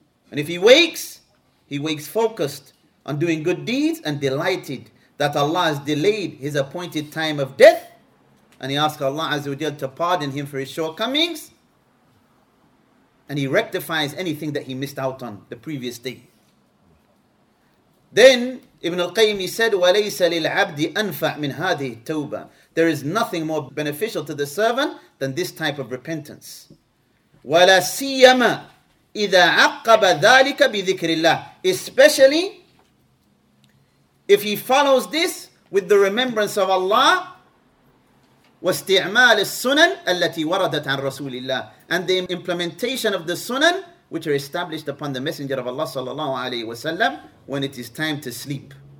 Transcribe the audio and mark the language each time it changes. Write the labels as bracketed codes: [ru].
[en] And if he wakes focused on doing good deeds and delighted that Allah has delayed his appointed time of death, and he asks Allah Azza wa Jalla to pardon him for his shortcomings, and he rectifies anything that he missed out on the previous day. Then Ibn al-Qayyim said, [ar] وَلَيْسَ لِلْعَبْدِ أَنْفَعْ مِنْ هَذِهِ التَّوْبَةِ. [en] There is nothing more beneficial to the servant than this type of repentance. [ar] وَلَا سِيَّمَا إِذَا عَقَّبَ ذَلِكَ بِذِكْرِ اللَّهِ. [en] Especially if he follows this with the remembrance of Allah, [ar] وَاسْتِعْمَالِ السُّنَنِ الَّتِي وَرَدَتْ عَنْ رَسُولِ اللَّهِ, [en] and the implementation of the sunan which are established upon the Messenger of Allah sallallahu alayhi wa sallam when it is time to sleep.